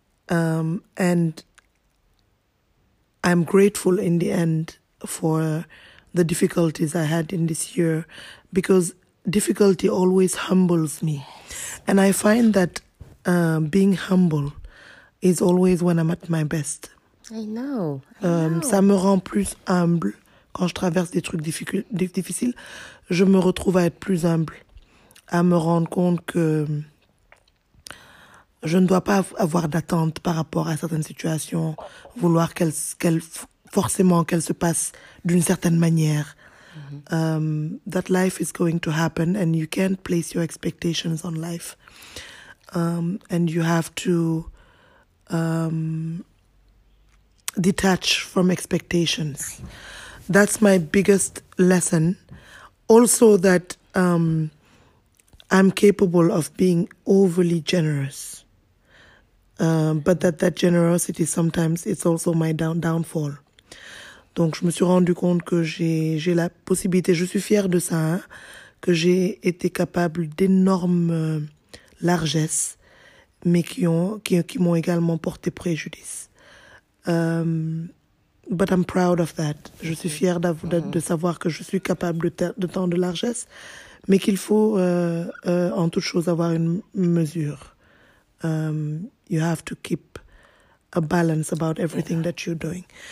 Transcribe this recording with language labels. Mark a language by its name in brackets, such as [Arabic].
[English] And I'm grateful in the end for the difficulties I had in this year, because difficulty always humbles me. And I find that being humble is always when I'm at my best. I know. [French] Ça me rend plus humble quand je traverse des trucs difficiles. Je me retrouve à être plus humble. À me rendre compte que je ne dois pas avoir d'attente par rapport à certaines situations, vouloir qu'elles se passent d'une certaine manière. [English] That life is going to happen and you can't place your expectations on life. And you have to detach from expectations. That's my biggest lesson. Also that... I'm capable of being overly generous, but that generosity sometimes it's also my downfall. [French] Donc je me suis rendu compte que j'ai la possibilité, je suis fière de ça, hein, que j'ai été capable d'énormes largesses, mais qui m'ont également porté préjudice. [English] But I'm proud of that. [French] Je suis fière de savoir que je suis capable de tant de largesses. Mais qu'il faut en toute chose avoir une mesure. [English] You have to keep a balance about everything that you're doing.